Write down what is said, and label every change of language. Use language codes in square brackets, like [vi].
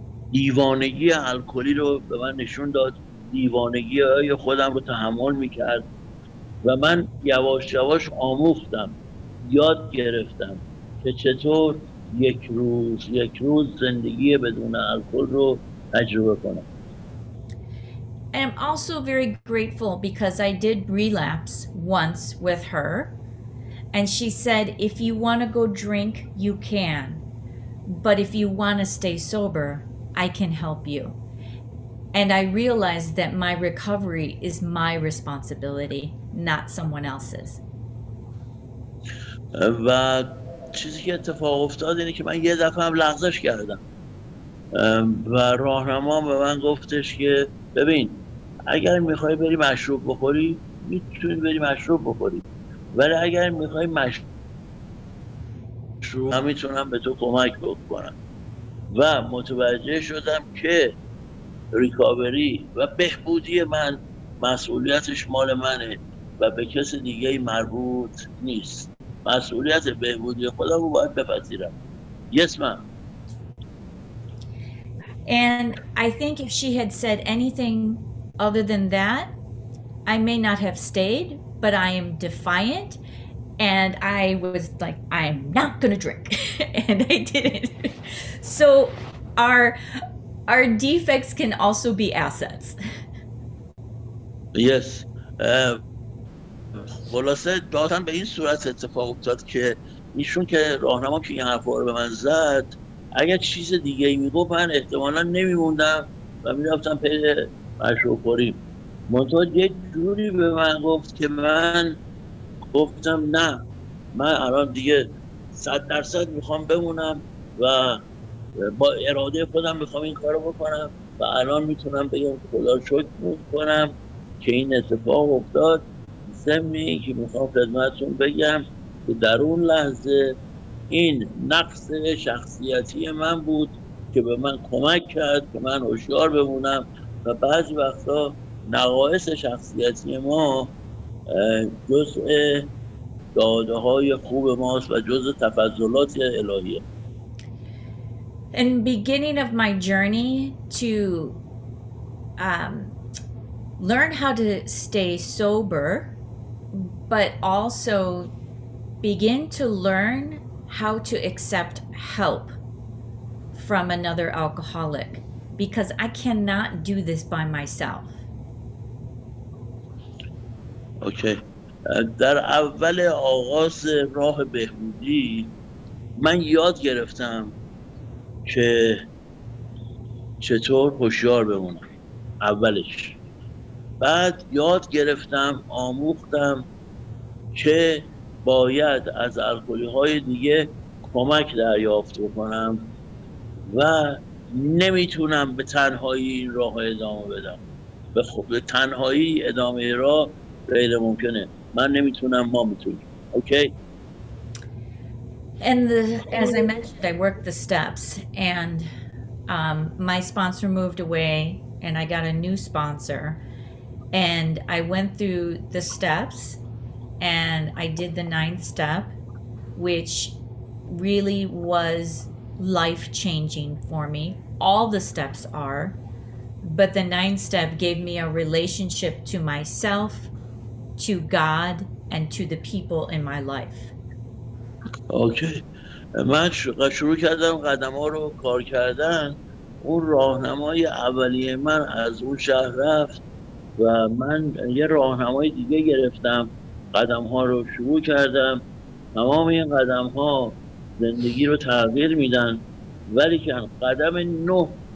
[fa] دیوانگی الکلی رو به من نشون داد. دیوانگی های خودم رو تحمل میکرد و من یواش یواش آموختم، یاد گرفتم که چطور یک روز زندگی بدون الکل رو تجربه کنم. [en] I'm also very grateful because I did relapse once with her and she said if you want to go drink you can, but if you want to stay sober I can help you. And I realized that my recovery is my responsibility, not someone else's. [fa] و چیزی که اتفاق افتاد اینه که من یه دفعه هم لغزش کردم و راهنما به من گفتش که ببین اگر میخوای بری مشروب بخوری میتونی بری مشروب بخوری، ولی اگر میخوای مشروب هم میتونم به تو کمک بکنم. و متوجه شدم که ریکاوری و بهبودی من مسئولیتش مال منه و به کس دیگه مربوط نیست. مسئولیت بهبودی خودم رو باید بپذیرم. [en] Yes, ma'am. And I think if she had said anything other than that, I may not have stayed, but I am defiant. And I was like, I'm not gonna drink. And I didn't. So our defects can also be assets. Yes. [fa] خلاصه داستان به این صورت اتفاق افتاد که ایشون که راهنما که این حرفا رو به من زد، اگر چیز دیگه ای میگفت من احتمالا نمیموندم و میرفتم پی مشروب خوری. منتها یک جوری به من گفت که من گفتم نه، من الان دیگه 100% میخوام بمونم و با اراده خودم میخوام این کارو بکنم و الان میتونم بگم خدا شکر میکنم که این اتفاق افتاد. زمینی که میخوام خدمتتون بگم که در اون لحظه این نقص شخصیتی من بود که به من کمک کرد که من هوشیار بمونم و بعضی وقتا نقایص شخصیتی ما جزء داده های خوب ماست و جزء تفضلات الهیه. [en] In beginning of my journey to learn how to stay sober, but also begin to learn how to accept help from another alcoholic, because I cannot do this by myself. Okay. [fa] در اول آغاز راه بهبودی من یاد گرفتم که چطور هوشیار بمونم اولش، بعد یاد گرفتم آموختم که باید از الکلی‌های دیگه کمک دریافت کنم و نمیتونم به تنهایی این راه ادامه بدم، به تنهایی ادامه راه غیر ممکنه، من نمیتونم، ما میتونیم. [en] Okay. And the, as I mentioned, I worked the steps, and my sponsor moved away, and I got a new sponsor, and I went through the steps, and I did the 9th step, which really was life-changing for me. All the steps are, but the 9th step gave me a relationship to myself, to God, and to the people in my life. Okay. [fa] من شروع کردم قدم ها رو کار کردن، اون راهنمای اولیه من از اون شهر رفت و من یه راهنمای دیگه گرفتم، قدم ها رو شروع کردم، تمام این قدم ها زندگی رو تغییر میدن، ولی که قدم 9